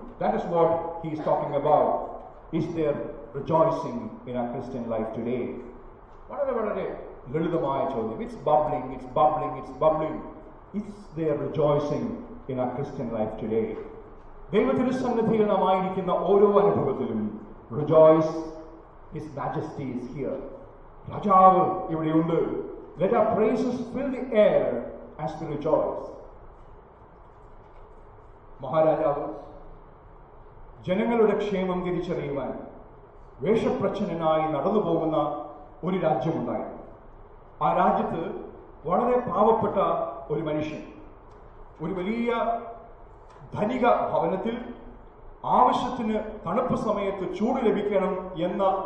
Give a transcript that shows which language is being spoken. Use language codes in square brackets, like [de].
[en] That is what he is talking about. Is there rejoicing in our Christian life today? [ml] വളരെ ലളിതമായ ചോദ്യം. [en] It's bubbling, it's bubbling, it's bubbling. Is there rejoicing in our Christian life today? [ml] ദൈവതിരുസന്നിധിയിൽ നാം ആയിരിക്കുന്ന ഓരോ അനുഭവത്തിലും rejoice. [en] His majesty is here. [ml] രാജാവ് ഇവിടെയുണ്ട്. [en] Let our praises fill the air as we rejoice. [ml] മഹാരാജാവ് ജനങ്ങളുടെ ക്ഷേമം തിരിച്ചറിയുവാൻ വേഷപ്രച്ഛന്നനായി നടന്നു പോകുന്ന ഒരു രാജ്യമുണ്ടായി. ആ രാജ്യത്ത് വളരെ പാവപ്പെട്ട ഒരു മനുഷ്യൻ ഒരു വലിയ ധനിക ഭവനത്തിൽ ആവശ്യത്തിന് തണുപ്പ് സമയത്ത് ചൂട് ലഭിക്കണം എന്ന